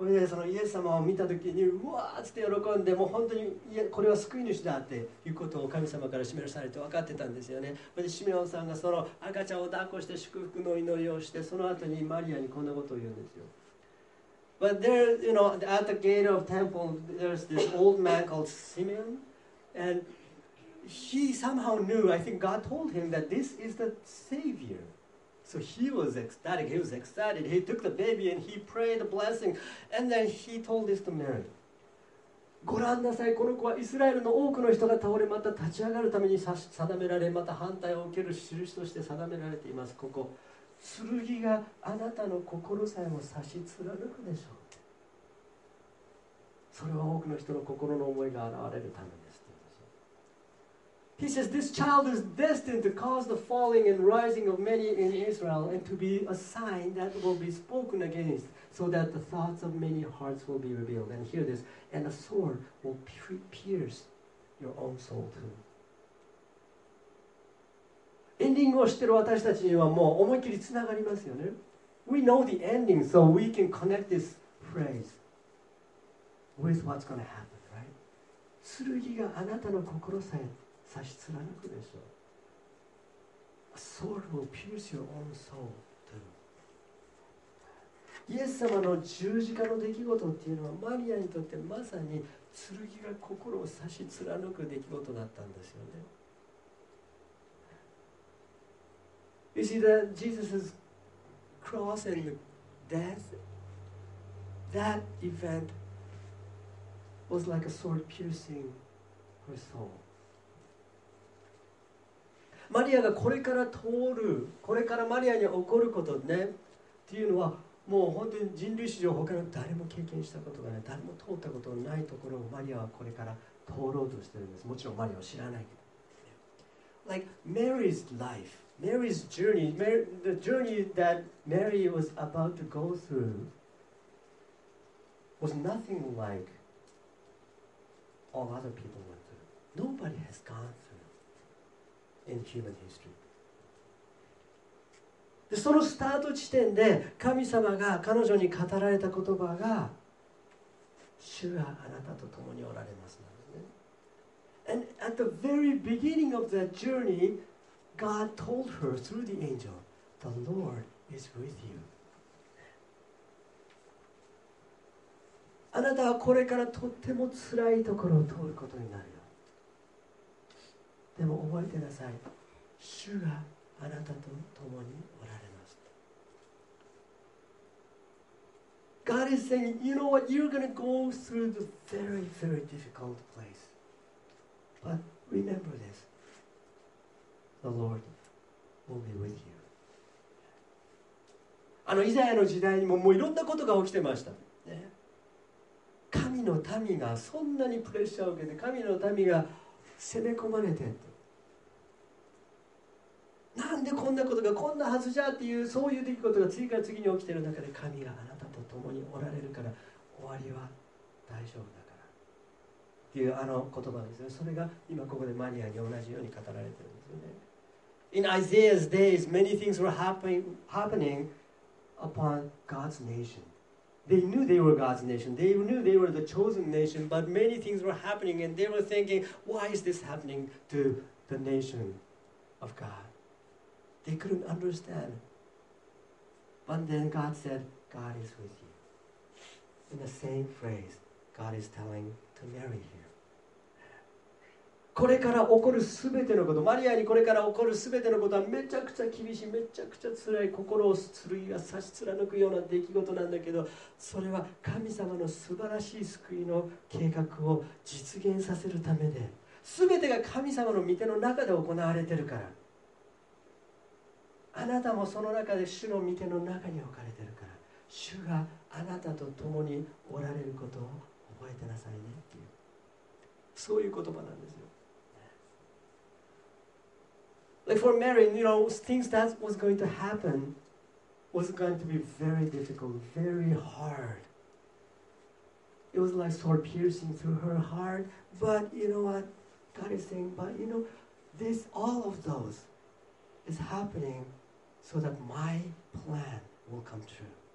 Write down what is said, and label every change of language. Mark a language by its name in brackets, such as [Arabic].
[Japanese] そのイエス様を見たときにうわーって喜んでもう本当にいやこれは救い主だっていうことを神様から示されて分かってたんですよねでシメオンさんがその赤ちゃんを抱っこして祝福の祈りをしてその後にマリアにこんなことを言うんですよ [English] But there, you know, at the gate of temple there's this old man called Simeon and he somehow knew, I think God told him that this is the Savior. So he was ecstatic, he was excited. He took the baby and he prayed a blessing. And then he told this to Mary. [Japanese] ご覧なさい、この子はイスラエルの多くの人が倒れまた立ち上がるために定められ、また反対を受ける印として定められています。ここ、剣があなたの心さえも差し貫くでしょう。それは多くの人の心の思いが現れるためです。 [English] He says, this child is destined to cause the falling and rising of many in Israel and to be a sign that will be spoken against so that the thoughts of many hearts will be revealed. And hear this, and a sword will pierce your own soul too. [Japanese] エンディングを知っている私たちにはもう思いっきりつながりますよね。 [English] We know the ending, so we can connect this phrase with what's going to happen, right? [Japanese] 剣があなたの心さえ差し貫くでしょう。 [English] A sword will pierce your own soul through. [Japanese] イエス様の十字架の出来事っていうのはマリアにとってまさに剣が心を差し貫く出来事だったんですよね。 [English] You see that Jesus' cross and death, that event was like a sword piercing her soul. [Japanese] マリアがこれから通る、これからマリアに起こることねっていうのはもう本当に人類史上他の誰も経験したことがない、誰も通ったことのないところをマリアはこれから通ろうとしてるんです。もちろんマリアは知らないけど。 [English] Like Mary's life, Mary's journey, Mary, the journey that Mary was about to go through was nothing like all other people went through. Nobody has gone through. In human history. [Japanese] でそのスタート地点で神様が彼女に語られた言葉が主はあなたと共におられますなんですね。 [English] And at the very beginning of that journey, God told her through the angel, the Lord is with you. [Japanese] あなたはこれからとってもつらいところを通ることになるよ。でも覚えてなさい。主があなたと共におられます。 [English] God is saying, you know what, you're going to go through the very, very difficult place. But remember this, the Lord will be with you. [Japanese] あのイザヤの時代にももういろんなことが起きてました。ね、神の民がそんなにプレッシャーを受けて、神の民が攻め込まれてって、なんでこんなことがこんなはずじゃっていうそういう出来事が次から次に起きている中で神があなたと共におられるから終わりは大丈夫だからていうあの言葉ですね。それが今ここでマリアに同じように語られているんですよね。 [English] In Isaiah's days, many things were happening upon God's nation. They knew they were God's nation. They knew they were the chosen nation, but many things were happening and they were thinking, why is this happening to the nation of God? They couldn't understand. But then God said, God is with you. In the same phrase, God is telling to Mary here. [Japanese] これから起こるすべてのこと、マリアにこれから起こるすべてのことはめちゃくちゃ厳しい、めちゃくちゃつらい、心を剣が刺し貫くような出来事なんだけど、それは神様の素晴らしい救いの計画を実現させるためで、すべてが神様の御手の中で行われてるから、あなたもその中で主の御手の中に置かれてるから、主があなたと共におられることを覚えてなさいねっていう、そういう言葉なんですよ。 [English] Like for Mary, you know, things that was going to happen was going to be very difficult, very hard. It was like sword piercing through her heart. But you know what? God is saying, but you know, this, all of those is happening so that my plan will come true.